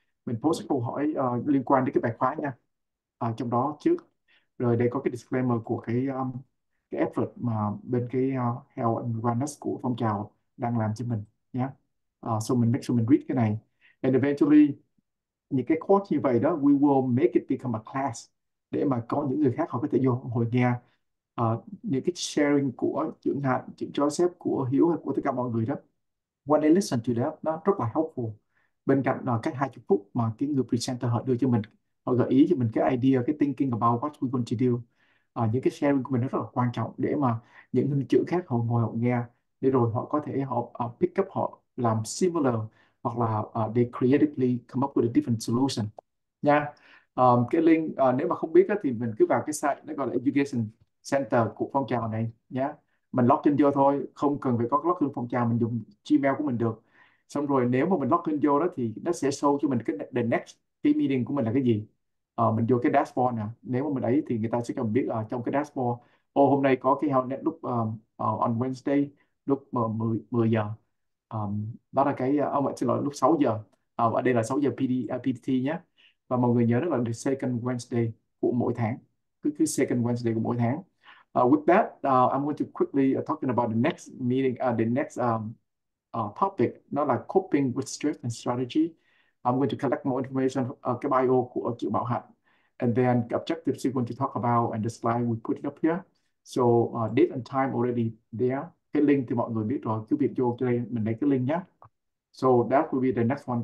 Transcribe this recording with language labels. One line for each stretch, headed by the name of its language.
Vietnamese: mình post câu hỏi liên quan đến cái bài khóa nha, trong đó trước, rồi đây có cái disclaimer của cái effort mà bên cái
English: health and wellness
Vietnamese: của phong trào đang làm cho mình nhé. So mình
English: make sure
Vietnamese: mình read cái này,
English: and eventually
Vietnamese: những cái course như vậy đó,
English: we will make it become a class
Vietnamese: để mà có những người khác họ có thể vô hồi nghe những cái sharing của trưởng hạn, trưởng Joseph, của Hiếu hay của tất cả mọi người đó.
English: When they listen to that,
Vietnamese: nó rất là
English: helpful.
Vietnamese: Bên cạnh là cái 20 phút mà cái người presenter họ đưa cho mình, họ gợi ý cho mình cái idea, cái
English: thinking about what we're going to do.
Vietnamese: Những cái sharing của mình nó rất là quan trọng để mà những người trưởng khác họ ngồi họ nghe, để rồi họ có thể họ
English: pick up,
Vietnamese: họ làm similar, hoặc là
English: they creatively come up with a different solution.
Vietnamese: Cái link, nếu mà không biết thì mình cứ vào cái site, nó gọi là Education Center của phong trào này nhé. Mình login vô thôi, không cần phải có login phong trào, mình dùng Gmail của mình được. Xong rồi nếu mà mình login vô đó thì nó sẽ show cho mình cái
English: the next
Vietnamese: cái meeting của mình là cái gì. Mình vô cái dashboard nè. Nếu mà mình ấy thì người ta sẽ cần biết trong cái dashboard, hôm nay có cái
English: health network on Wednesday
Vietnamese: lúc 10 giờ. Đó là cái xin lỗi, lúc 6 giờ. Ở đây là 6 giờ PDT nhé. Và mọi người nhớ đó là
English: the second Wednesday
Vietnamese: của mỗi tháng. Cứ second Wednesday của mỗi tháng.
English: With that, I'm going to quickly talking about the next meeting, the next topic,
Vietnamese: nó là
English: coping with stress and strategy. I'm going to collect more information,
Vietnamese: cái bio của Triệu Bảo Hạnh.
English: And then the objectives we're going to talk about and the slide we put it up here. So date and time already there.
Vietnamese: Cái link thì mọi người biết rồi, cứ việc vô đây, mình lấy cái link nhé.
English: So that will be the next one.